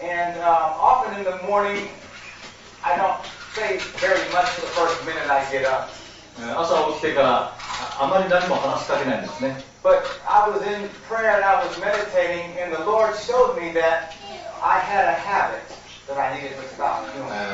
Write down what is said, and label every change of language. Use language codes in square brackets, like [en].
[en] And often in the morning, I don't say very much the first minute I get up. [ja] 朝起きてからあまり何も話しかけないんですね。 [en] But I was in prayer and I was meditating, and the Lord showed me that I had a habit that I needed to stop doing.